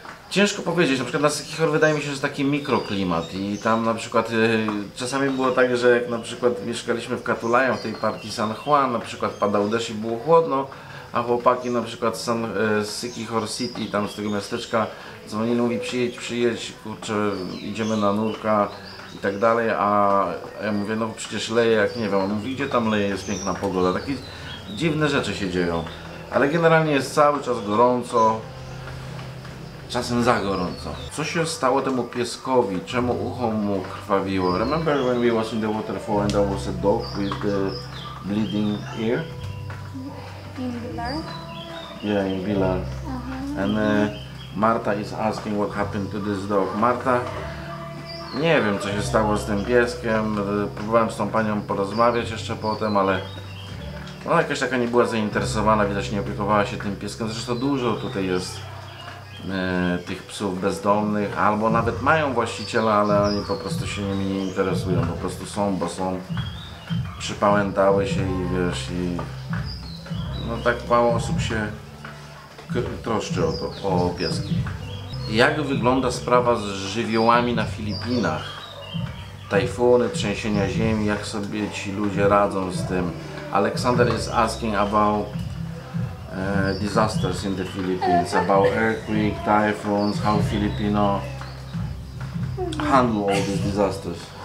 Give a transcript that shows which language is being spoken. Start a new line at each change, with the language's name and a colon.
Polish: Ciężko powiedzieć, na przykład na Sikihor wydaje mi się, że taki mikroklimat i tam na przykład czasami było tak, że jak na przykład mieszkaliśmy w Katulaya, w tej partii San Juan, na przykład padał deszcz i było chłodno, a chłopaki na przykład z Sikihor City, tam z tego miasteczka dzwonili, mówi przyjedź, kurczę, idziemy na nurka i tak dalej, a ja mówię, no przecież leje, jak nie wiem, on mówi, gdzie tam leje, jest piękna pogoda, takie dziwne rzeczy się dzieją, ale generalnie jest cały czas gorąco. Czasem za gorąco. Co się stało temu pieskowi? Czemu ucho mu krwawiło?
English: Remember when we was in the waterfall and there was a dog with the bleeding ear? In Villar? Yeah, in Villar. Uh-huh. And Marta is asking what happened to this dog.
Polish: Marta, nie wiem co się stało z tym pieskiem. Próbowałem z tą panią porozmawiać jeszcze potem, ale ona jakaś taka nie była zainteresowana, widać nie opiekowała się tym pieskiem. Zresztą dużo tutaj jest tych psów bezdomnych, albo nawet mają właściciela, ale oni po prostu się nimi nie interesują, po prostu są, bo są przypałętały się i wiesz, i no tak mało osób się troszczy o to, o pieski. Jak wygląda sprawa z żywiołami na Filipinach? tajfuny, trzęsienia ziemi, jak sobie ci ludzie radzą z tym.
English: Alexander is asking about disasters in the Philippines, about earthquake, typhoons, how Filipino handle all these disasters.